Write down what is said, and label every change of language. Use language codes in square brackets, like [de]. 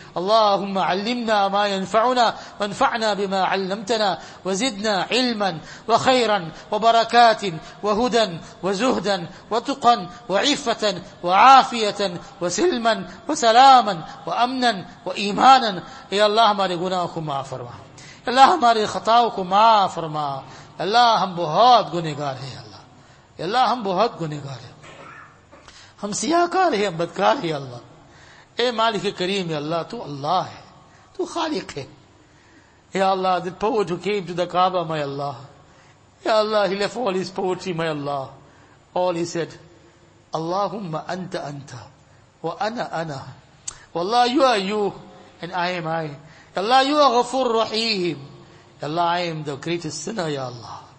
[ar] اللهم علمنا ما ينفعنا، وانفعنا بما علمتنا، وزدنا علما وخيرا وبركات وهدى وزهدا وتقا وعفة وعافية وسلما وسلاما وأمنا وإيمانا. [ur] يا الله ہمارے گناہوں کو معاف فرما، اللہ ہمارے خطاؤں کو معاف فرما، اللہ ہم بہت گنہگار ہیں، اللہ ہم بہت گنہگار ہیں، ہم سیاہکار ہیں، ہم بدکار ہیں. اللہ اے مالک کریم، یا اللہ تو اللہ ہے، تو خالق ہے. [en] یا اللہ the poet who came to the Kaaba, my Allah. یا اللہ he left all his poetry, my Allah. All he said, [ar] اللہم انت انت وانا انا واللہ [en] you are you and I am I. Allah, you are Ghafur Rahim. Allah, I am the greatest sinner, Ya Allah.